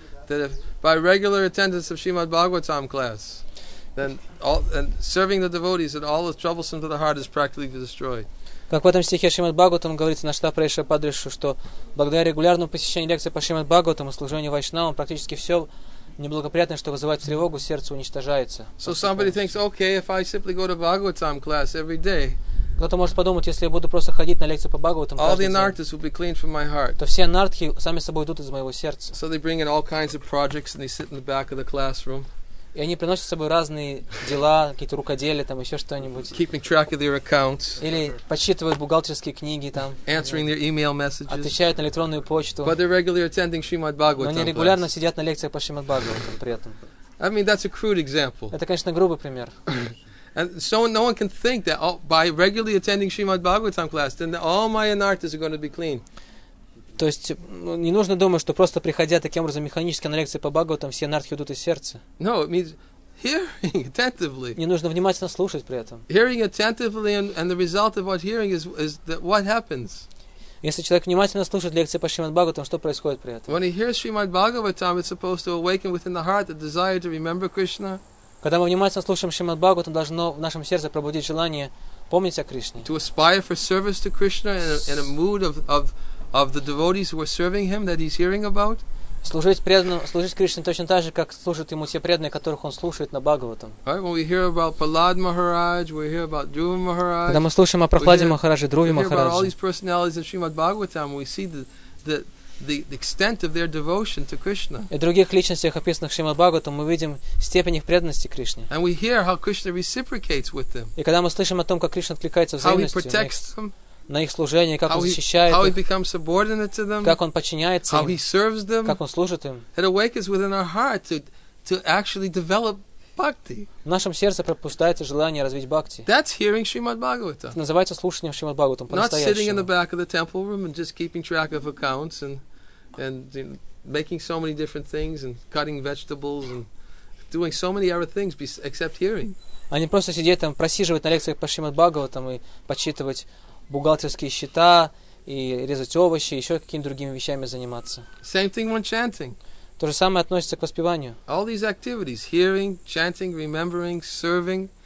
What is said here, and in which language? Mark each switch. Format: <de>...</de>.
<en>That if by regular attendance of Srimad Bhagavatam class, then all and serving the devotees, that all the troublesome to the heart is practically destroyed.</en> <ru>Как в этом стихе Шримад Бхагаватам говорится Наштапрайша Падришу, что благодаря регулярному посещению лекции по Шримад Бхагаватам и служению вайшнавам практически все неблагоприятное, что вызывает тревогу, сердце уничтожается.</ru> <en>So somebody thinks, okay, if I simply go to Bhagavatam class every day,</en> <ru>кто-то может подумать, если я буду просто ходить на лекции по Бхагаватам,</ru> <en>all the anarthas will be cleaned from my heart.</en> <ru>То все анартхи сами собой уйдут из моего сердца.</ru> <en>So they bring in all kinds of projects and they sit in the back of the classroom.</en> <ru>И они приносят с собой разные дела, какие-то рукоделия, там еще что-нибудь.</ru> <en>Keeping track of their accounts.</en> <ru>Или подсчитывают бухгалтерские книги там.</ru> <en>Answering their email messages.</en> <ru>Отвечают на электронную почту.</ru> <en>But they're regularly attending Srimad Bhagavatam.</en> <ru>Но они регулярно сидят на лекциях по Шримад Бхагаватам при этом.</ru> <en>I mean, that's a crude example.</en> <ru>Это, конечно, грубый пример.</ru> <en>And so no one can think that by regularly attending Srimad Bhagavatam class, then all my anarthas are going to be clean.</en> <ru>То есть не нужно думать, что просто приходя таким образом механически на лекции по Бхагаватам, все анартхи уйдут из сердца.</ru> <en>No, it means hearing attentively.</en> <ru>Не нужно внимательно слушать при этом.</ru> <en>Hearing attentively and the result of what hearing is that what happens.</en> <ru>Если человек внимательно слушает лекции по Шримад Бхагаватам, что происходит при этом?</ru> <en>When he hears Shrimad Bhagavatam, it's supposed to awaken within the heart the desire to remember Krishna.</en> <ru>Когда мы внимательно слушаем Шримад Бхагаватам, должно в нашем сердце пробудить желание помнить о Кришне.</ru> <en>To aspire for service to Krishna in a mood of the devotees who are serving him that he's hearing about.</en> <ru>Служить преданным, служить Кришне точно так же, как служат ему те преданные, которых он слушает на Бхагаватам.</ru> <en>Right, when we hear about Prahlad Maharaj, we hear about Dhruva Maharaj.</en> <ru>Когда мы слушаем о Прохладе Махарадже, Друве Махарадже.</ru> <en>We hear about all these personalities in Srimad Bhagavatam, we see that the extent of their devotion to Krishna.</en> <ru>И в других личностях, описанных Шримад Бхагаватам, мы видим степень их преданности Кришне.</ru> <en>And we hear how Krishna reciprocates with them.</en> <ru>И когда мы слышим о том, как Кришна откликается взаимностью,</ru> <en>how he protects them,</en> <ru>на их служение, как он защищает</ru> <en>how he becomes subordinate to them,</en> <ru>как он подчиняется</ru> <en>how</en> <ru>им,</ru> <en>he serves them,</en> <ru>как он служит им.</ru> <en>It awakens within our heart to actually develop bhakti.</en> <ru>В нашем сердце пробуждается желание развить бхакти.</ru> <en>That's hearing Shrimad Bhagavatam.</en> <ru>Это называется слушанием Шримад Бхагаватам по-настоящему.</ru> <en>Not sitting in the back of the temple room and just keeping track of accounts and you know, making so many different things and cutting vegetables and doing so many other things except hearing.</en> <ru>А не просто сидеть там, просиживать на лекциях по Шримад Бхагаватам и подсчитывать бухгалтерские счета и резать овощи, еще какими-то другими вещами заниматься.</ru> <en>Same thing when chanting.</en> <ru>То же самое относится к воспеванию.</ru> <en>All these activities, hearing, chanting, remembering, serving,</en>